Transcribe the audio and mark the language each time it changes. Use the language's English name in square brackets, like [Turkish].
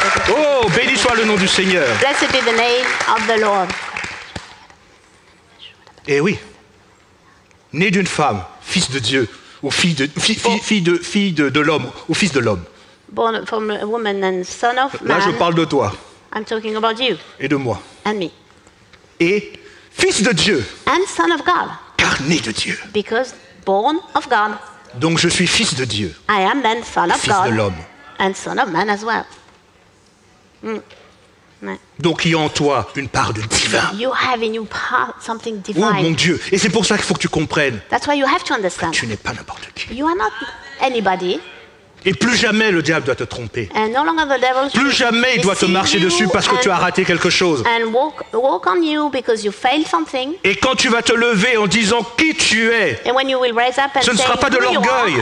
[French] Oh, béni soit le nom du Seigneur. [English] Blessed be the name of the Lord. [French] Eh oui. Né d'une femme, fils de Dieu, ou fille de l'homme, ou fils de l'homme. [English] Born from a woman and son of man. [French] Là, je parle de toi. [English] I'm talking about you. [French] Et de moi. [English] And me. [French] Et fils de Dieu. [English] And son of God. [French] Car né de Dieu. [English] Because born of God. [French] Donc je suis fils de Dieu. [English] I am then son of [French] fils [English] God. [French] Fils de l'homme. [English] And son of man as well. [French] Donc il y a en toi une part de divin. [English] You have in you part something divine. [French] Oh mon Dieu, et c'est pour ça qu'il faut que tu comprennes. [English] That's why you have to understand. [French] Tu n'es pas n'importe qui. [English] You are not anybody. [French] Et plus jamais le diable doit te tromper. [English] And no longer the devil. [French] Plus jamais il doit te marcher dessus parce que tu as raté quelque chose. [English] And walk on you because you failed something. [French] Et quand tu vas te lever en disant qui tu es. [English] And when you will rise up and [French] ce ne sera pas de l'orgueil.